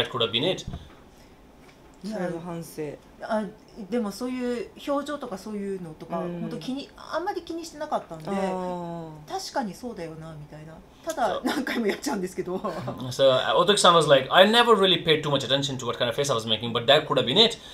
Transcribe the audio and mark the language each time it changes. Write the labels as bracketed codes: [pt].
[en] That could have been it. [ja] それの反省。あ、でもそういう表情とかそういうのとか、本当気にあんまり気にしてなかったんで、確かにそうだよなみたいな。ただ何回もやっちゃうんですけど。 [en] So Otoki-san was like, I never really paid too much attention to what kind of face I was making, but that could have been it.